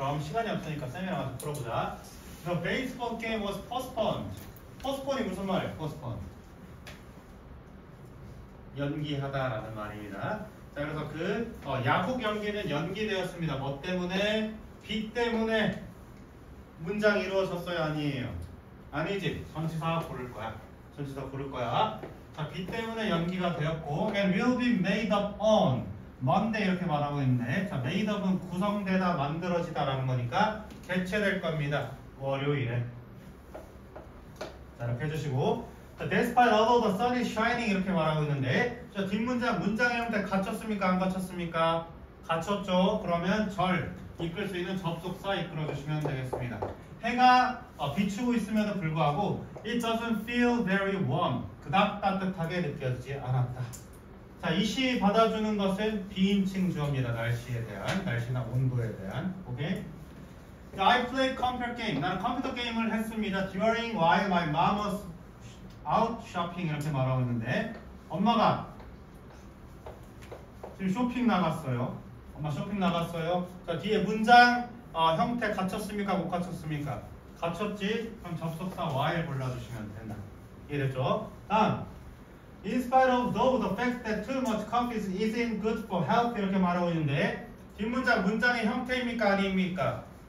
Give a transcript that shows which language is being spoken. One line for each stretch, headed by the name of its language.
Korean: 시간이 없으니까 쌤이랑 같이 풀어보자.
English: The baseball game was postponed.
Korean: Postponed이 무슨 말이에요?
English: Postponed.
Korean: 연기하다라는 말입니다. 자, 그래서 그 야구 경기는 연기되었습니다. 뭐 때문에? 비 때문에 문장 이루어졌어요? 아니에요. 아니지. 전치사 고를 거야. 전치사 고를 거야. 자, 비 때문에 연기가 되었고
English: and will be made up on.
Korean: 먼데 이렇게 말하고 있네. 자, 메이드업은 구성되다, 만들어지다라는 거니까 개최될 겁니다. 월요일에. 자, 이렇게 해주시고. 자,
English: despite all the sun is shining
Korean: 이렇게 말하고 있는데, 자, 뒷문장, 문장의 형태 갖췄습니까? 안 갖췄습니까? 갖췄죠. 그러면 절, 이끌 수 있는 접속사 이끌어주시면 되겠습니다. 해가 비추고 있음에도 불구하고,
English: it doesn't feel very warm.
Korean: 그닥 따뜻하게 느껴지지 않았다. 자, 이 시 받아주는 것은 비인칭 주어입니다. 날씨에 대한, 날씨나 온도에 대한.
English: 오케이? I played computer game.
Korean: 나는 컴퓨터 게임을 했습니다.
English: During while my mom was out shopping
Korean: 이렇게 말하고 있는데 엄마가 지금 쇼핑 나갔어요. 엄마 쇼핑 나갔어요. 자, 뒤에 문장 형태 갖췄습니까? 못 갖췄습니까? 갖췄지? 그럼 접속사 while 골라주시면 된다. 이해됐죠? 다음.
English: In spite of though the fact that too much coffee isn't good for health
Korean: 이렇게 말하고 있는데 뒷문장 문장의 형태입니까 아닙니까?